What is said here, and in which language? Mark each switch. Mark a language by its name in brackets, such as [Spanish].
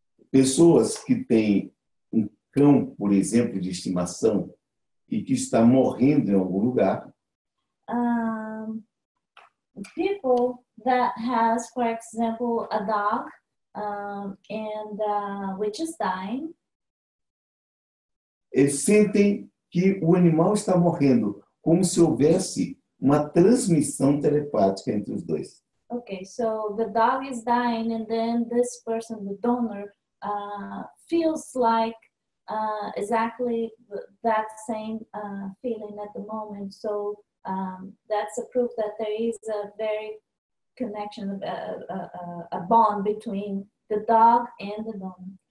[Portuguese] Pessoas que têm um cão, por exemplo, de estimação e que está morrendo em algum lugar. [English] People that has, for example, a dog and which is dying. [Portuguese] Eles sentem que o animal está morrendo, como se houvesse uma transmissão telepática entre os dois. [English] Okay, so the dog is dying and then this person, the donor, feels like exactly that same feeling at the moment. So that's a proof that there is a very connection, a bond between the dog and the donor.